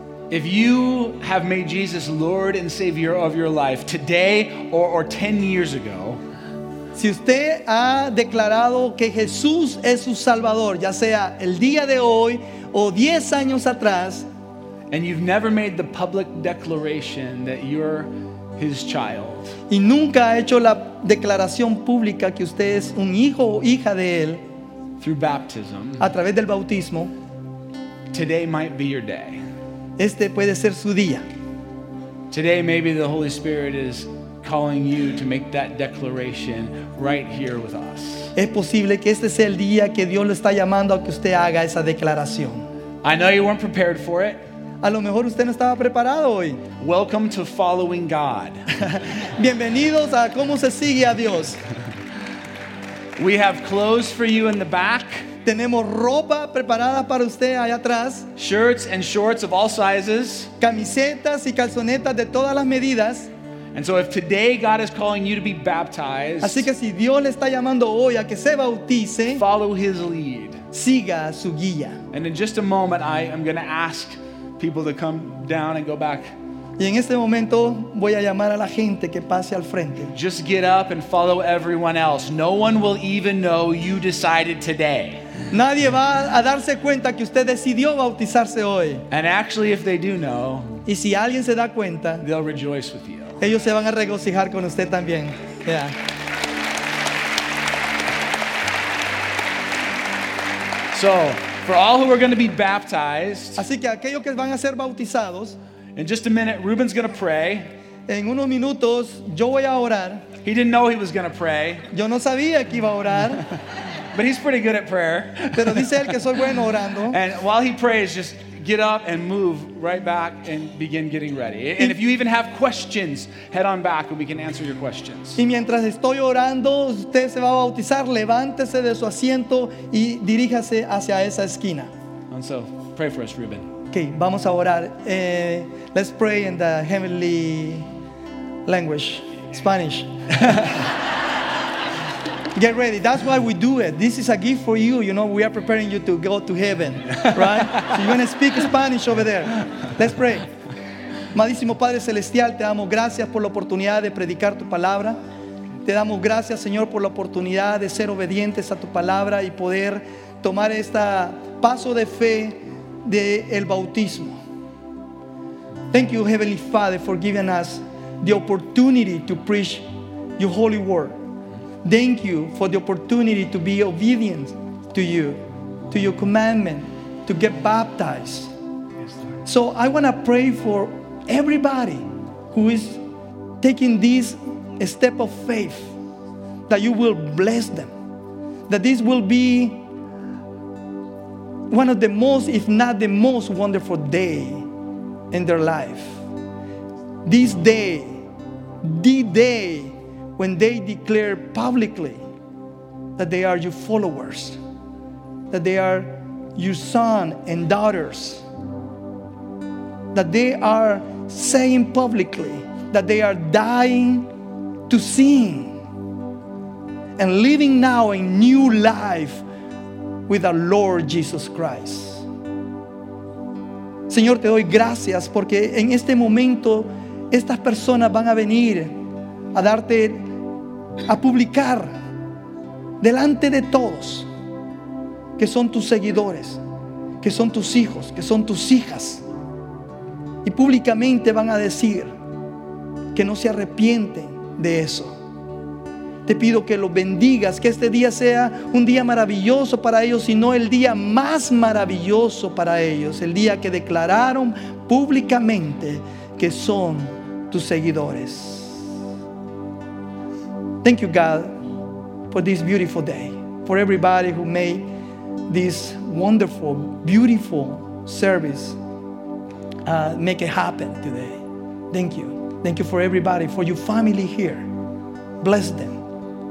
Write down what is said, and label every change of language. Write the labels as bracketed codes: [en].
[en] If you have made Jesus Lord and Savior of your life today or 10 years ago, [es] si usted ha declarado que Jesús es su Salvador, ya sea el día de hoy o 10 años atrás, [en] and you've never made the public declaration that you're His child, [es] y nunca ha hecho la declaración pública que usted es un hijo o hija de él, [en] through baptism, [es] a través del bautismo, [en] today might be your day. [es] Este puede ser su día. [en] Today maybe the Holy Spirit is calling you to make that declaration right here with us. [es] Es posible que este sea el día que Dios lo está llamando a que usted haga esa declaración. [en] I know you weren't prepared for it. [es] A lo mejor usted no estaba preparado hoy. [en] Welcome to following God. [es] Bienvenidos a cómo se sigue a Dios. [en] We have clothes for you in the back. [es] Tenemos ropa preparada para usted allá atrás. [en] Shirts and shorts of all sizes. [es] Camisetas y calzonetas de todas las medidas. [en] And so if today God is calling you to be baptized, [es] así que si Dios le está llamando hoy a que se bautice, [en] follow his lead. [es] Siga su guía. [en] And in just a moment I am going to ask people to come down and go back. [es] Y en este momento voy a llamar a la gente que pase al frente. [en] Just get up and follow everyone else. No one will even know you decided today. [es] Nadie va a darse cuenta que usted decidió bautizarse hoy. [en] And actually, if they do know, [es] y si alguien se da cuenta, [en] they'll rejoice with you. [es] Ellos se van a regocijar con usted también. [en] Yeah. So, for all who are going to be baptized, [es] así que aquellos que van a ser bautizados, [en] in just a minute, Ruben's going to pray. [es] En unos minutos, yo voy a orar. [en] He didn't know he was going to pray. [es] Yo no sabía que iba a orar. [en] But he's pretty good at prayer. [es] Pero dice él que soy bueno orando. [en] And while he prays, just get up and move right back and begin getting ready. And if you even have questions, head on back and we can answer your questions. [es] Y mientras estoy orando, usted se va a bautizar, levántese de su asiento y diríjase hacia esa esquina. [en] And so, pray for us, Ruben. Okay, [es] vamos a orar. [en] Let's pray in the heavenly language, Spanish. Get ready. That's why we do it. This is a gift for you. You know, we are preparing you to go to heaven, right? So you're going to speak Spanish over there. Let's pray. [es] Amadísimo Padre Celestial, te damos gracias por la oportunidad de predicar tu palabra. Te damos gracias, Señor, por la oportunidad de ser obedientes a tu palabra y poder tomar este paso de fe de el bautismo. [en] Thank you, Heavenly Father, for giving us the opportunity to preach your holy word. Thank you for the opportunity to be obedient to you, to your commandment, to get baptized. Yes, so I want to pray for everybody who is taking this step of faith, that you will bless them, that this will be one of the most, if not the most wonderful day in their life. This day, the day when they declare publicly that they are your followers, that they are your son and daughters, that they are saying publicly that they are dying to sin and living now a new life with our Lord Jesus Christ. [es] Señor, te doy gracias porque en este momento estas personas van a venir a darte, a publicar delante de todos que son tus seguidores, que son tus hijos, que son tus hijas. Y públicamente van a decir que no se arrepienten de eso. Te pido que los bendigas, que este día sea un día maravilloso para ellos, sino el día más maravilloso para ellos, el día que declararon públicamente que son tus seguidores. [en] Thank you, God, for this beautiful day, for everybody who made this wonderful, beautiful service make it happen today. Thank you. Thank you for everybody, for your family here. Bless them.